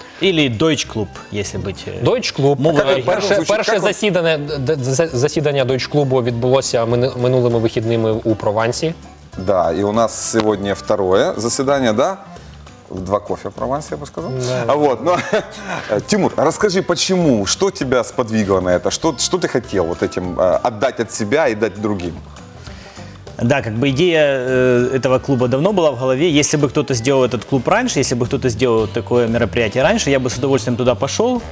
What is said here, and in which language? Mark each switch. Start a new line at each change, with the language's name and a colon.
Russian: Или Deutsch Club, если быть... Deutsch Club.
Ukrainian: Перше засідання Deutsch Club відбулося минулими вихідними у Провансі. Да, і у нас сьогодні второе засідання, да?
Russian: Два кофе в Провансе, я бы сказал. Да. А вот, ну, Тимур, расскажи, почему, что тебя сподвигло на это, что ты хотел вот этим отдать от себя и дать другим? Да, как бы идея этого клуба давно была в голове. Если бы кто-то сделал этот клуб раньше, если бы кто-то сделал такое мероприятие раньше, я бы с удовольствием туда пошел.